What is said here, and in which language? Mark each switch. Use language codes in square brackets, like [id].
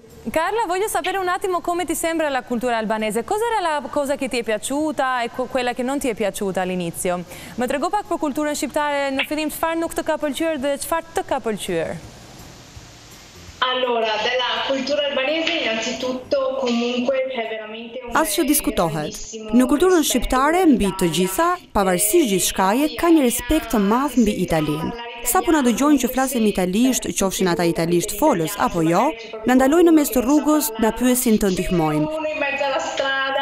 [it] Carla, voglio sapere un attimo come ti sembra la cultura albanese. Cosa era la cosa che ti è piaciuta e quella che non ti è piaciuta all'inizio? [sq] Më trego pak për kulturën shqiptare, në fillim çfarë nuk të ka pëlqyer dhe çfarë të ka pëlqyer? [it] Allora, della cultura albanese innanzitutto comunque c'è veramente un [sq] asgjë diskutohet. Në kulturën shqiptare mbi të gjitha, pavarësisht gjithçkaje, ka një respekt të madh mbi italianin. Sa po na dëgjojnë që flasim italisht, qofshin ata italisht folës apo jo, na ndalojnë në mes të rrugës, na pyesin të ndihmojnë.